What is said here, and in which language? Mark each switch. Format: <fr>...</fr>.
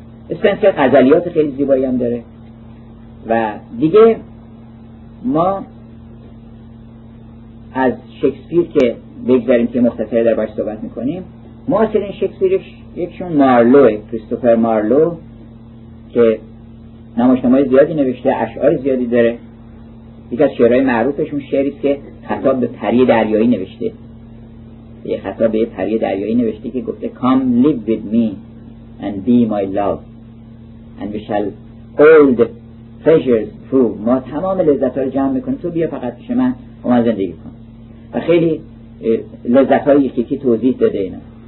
<fa>اسپنسر غزلیات خیلی زیبایی هم داره. و دیگه ما از شکسپیر که بگذاریم که مختصری در باش صحبت میکنیم. ما اصلا شکسپیر یکشون مارلوه، کریستوفر مارلو که نمایشنامه‌های زیادی نوشته، اشعار زیادی داره. یکی از شعرهای معروفشون شعری است که خطاب به پری دریایی نوشته. یه خطاب به پری دریایی نوشته که گفته</fa> <en>Come live with me and be my love and we shall all the treasures prove.</en> <fa>ما تمام لذت‌ها رو جمع می‌کنیم تو بیا فقط پیش من و من زندگی کن. و خیلی لذت‌های یکی که توضیح داده اینا.</fa>